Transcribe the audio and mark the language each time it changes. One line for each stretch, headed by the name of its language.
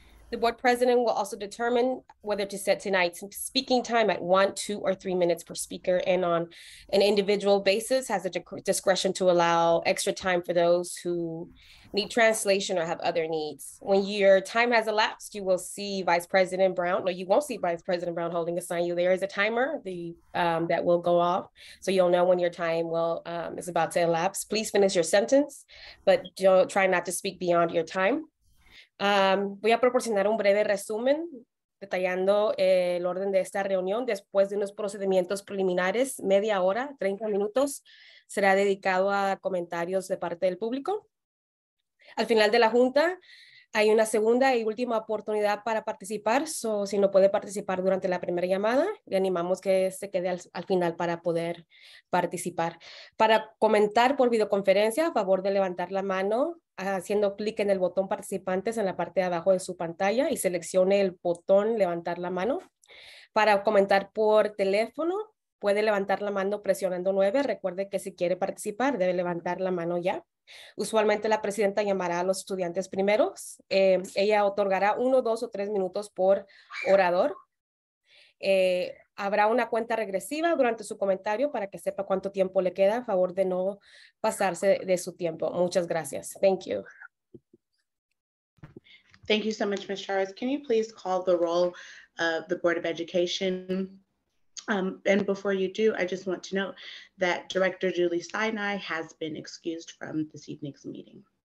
English: The board president will also determine whether to set tonight's speaking time at 1, 2, or 3 minutes per speaker, and on an individual basis has a discretion to allow extra time for those who need translation or have other needs. When your time has elapsed, you will see Vice President Brown, or you won't see Vice President Brown holding a sign. There is a timer that will go off, so you'll know when your time is about to elapse. Please finish your sentence, but don't try not to speak beyond your time.
Spanish: Voy a proporcionar un breve resumen detallando el orden de esta reunión. Después de unos procedimientos preliminares, media hora, 30 minutos, será dedicado a comentarios de parte del público. Al final de la junta hay una segunda y última oportunidad para participar. So, si no puede participar durante la primera llamada, le animamos que se quede al final para poder participar. Para comentar por videoconferencia, a favor de levantar la mano haciendo clic en el botón participantes en la parte de abajo de su pantalla y seleccione el botón levantar la mano. Para comentar por teléfono, puede levantar la mano presionando 9. Recuerde que si quiere participar, debe levantar la mano ya. Usualmente la presidenta llamará a los estudiantes primeros. Ella otorgará 1, 2, o 3 minutos por orador. Habrá una cuenta regresiva durante su comentario para que sepa cuánto tiempo le queda. A favor de no pasarse de su tiempo. Muchas gracias.
English: Thank you. Thank you so much, Ms. Chavez. Can you please call the roll of the Board of Education? And before you do, I just want to note that Director Julie Sinai has been excused from this evening's meeting.